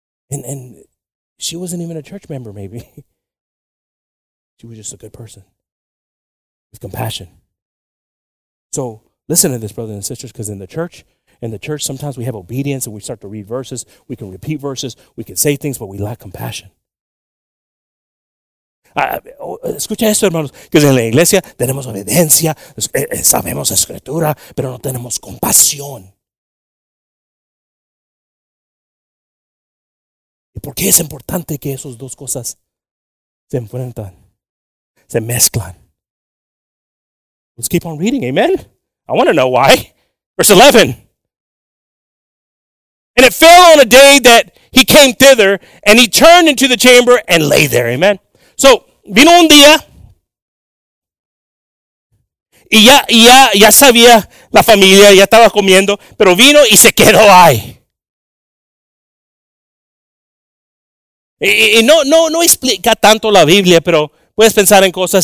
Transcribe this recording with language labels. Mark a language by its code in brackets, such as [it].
[en] And she wasn't even a church member, maybe. She was just a good person with compassion. So listen to this, brothers and sisters, because in the church, sometimes we have obedience and we start to read verses. We can repeat verses. We can say things, but we lack compassion. [es] Escucha esto, hermanos, que en la iglesia tenemos obediencia, sabemos escritura, pero no tenemos compasión. ¿Y por qué es importante que esas dos cosas se enfrentan, se mezclan? [en] Let's keep on reading, amen. I want to know why. Verse 11. And it fell on a day that he came thither, and he turned into the chamber and lay there, amen. [es] So, vino un día, y ya sabía la familia, ya estaba comiendo, pero vino y se quedó ahí. Y no explica tanto la Biblia, pero puedes pensar en cosas.